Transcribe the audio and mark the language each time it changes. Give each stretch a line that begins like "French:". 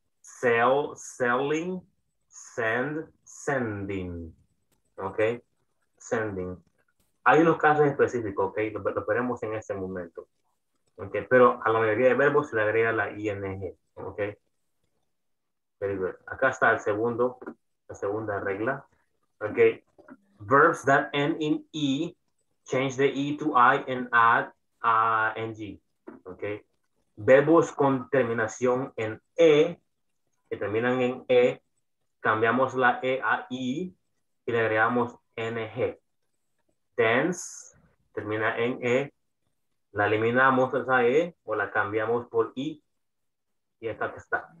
English: Sell, selling. Send, sending. Ok, sending.
Spanish: Hay unos casos específicos, ok, lo veremos en este momento. Ok, pero a la mayoría de verbos se le agrega la ing, ok.
English: Very good.
Spanish: Acá está el segundo, la segunda regla.
English: Ok, verbs that end in E, change the E to I and add ing, ok.
Spanish: Verbos con terminación en E, que terminan en E, cambiamos la E a I y le agregamos ng. Dance, termina en E, la eliminamos esa E o la cambiamos por I y esta que está.